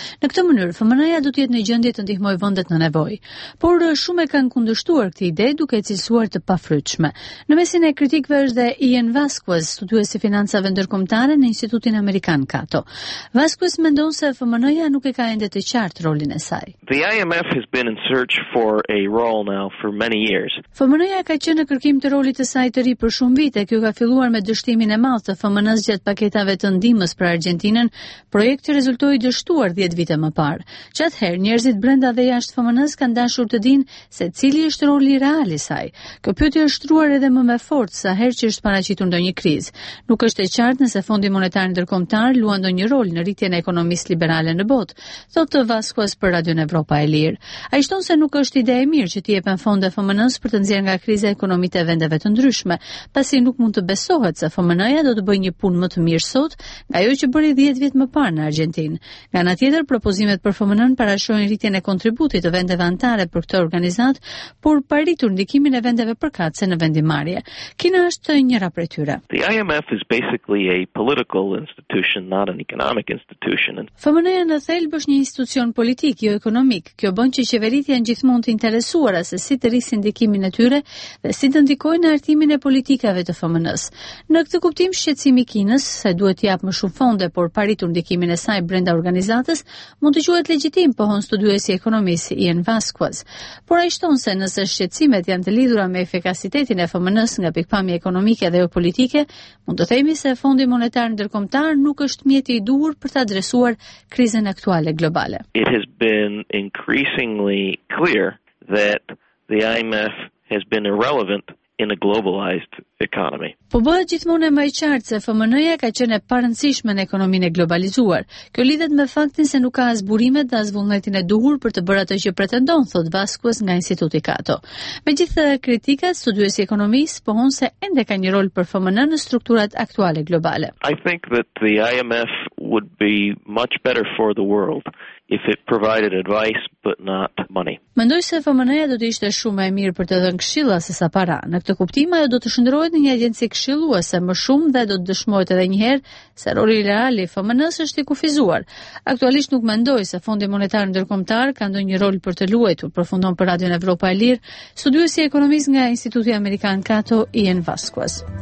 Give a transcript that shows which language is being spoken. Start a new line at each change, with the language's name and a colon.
Albanian: Në këtë mënyrë, FMN-ja do të jetë në gjendje të ndihmojë vendet në nevojë. Por shumë e kanë kundërshtuar këtë ide, duke cilësuar të pafryçshme. Në mesin e kritikëve është dhe Ian Vasquez, studiues i financave ndërkombëtare në Institutin Amerikan Cato. Vasquez mendon se FMN-ja nuk e ka ende të qartë rolin e saj.
English: The IMF has been in search for a role now for many years.
Albanian: FMN-ja ka qenë kim të rolit të saj të ri për shumë vite. Kjo ka filluar me dështimin e madh të FMN-s gjatë paketave të ndihmës për Argentinën, projekti rezultoi dështuar 10 vite më parë. Qatëherë njerëzit brenda dhe jashtë FMN-s kanë dashur të dinë se cili është roli real i saj. Kjo pyetje është shtruar edhe më me fortë sa herë që është paraqitur ndonjë krizë. Nuk është e qartë nëse Fondi Monetar Ndërkombëtar luan ndonjë rol në rritjen e ekonomisë liberale në botë, thotë Vasquez për Radio Evropa e Lirë. Ai shton se nuk është ide e mirë që të jepen fonde FMN-s për të nxjerrë nga kriza ekonomike të vendeve të ndryshme, pasi nuk mund të besohet se FMN-ja do të bëjë një punë më të mirë sot nga ajo që bëri 10 vjet më parë në Argjentinë. Nga ana tjetër, propozimet për FMN-n parashohin rritjen e kontributit të vendeve anëtare për këtë organizat, por paritur ndikimin e vendeve përkatëse në vendimarrje. Kina është njëra prej tyre.
English: The IMF is basically a political institution, not an economic institution.
Albanian: FMN-ja në thelb është një institucion politik, jo ekonomik. Kjo bën që qeveritë janë gjithmonë të interesuara se si të rrisin ndikimin e tyre dhe si të ndikojnë në hartimin e politikave të FMN-s. Në këtë kuptim, shqetësimi Kinës se duhet të japë më shumë fonde por paritur ndikimin e saj brenda organizatës mund të quhet legjitim, pohon studiuesi ekonomisë Ian Vasquez. Por ai shton se nëse shqetësimet janë të lidhura me efikasitetin e FMN-s nga pikpamja ekonomike dhe jo politike, mund të themi se Fondi Monetar Ndërkombëtar nuk është mjeti i duhur për të adresuar krizën aktuale globale.
English: It has been increasingly clear that the IMF has been irrelevant in a globalized economy.
Albanian: Po bëhet gjithmonë më e qartë se FMN-ja ka qenë e parëndësishme në ekonominë globalizuar. Kjo lidhet me faktin se nuk ka as burimet dhe as vullnetin e duhur për të bërë atë që pretendon, thot Vasquez nga Instituti Cato. Megjithë kritikat, studiuesi ekonomisë pohon se ende ka një rol për FMN në strukturat aktuale globale.
English: I think that the IMF would be much better for the world if it provided advice but not money.
Albanian: Mendoj se FMN-ja do të ishte shumë e mirë për të dhënë këshilla sesa para. Në këtë kuptim ajo do të shndrohet në një agjenci këshilluese më shumë dhe do të dëshmohet edhe një herë se roli real i FMN-s është i kufizuar. Aktualisht nuk mendoj se Fondi Monetar Ndërkombëtar ka ndonjë rol për të luajtur, përfundon për Radio Evropa e Lirë, studiuesi ekonomist nga Instituti Amerikan Cato Ian Vasquez.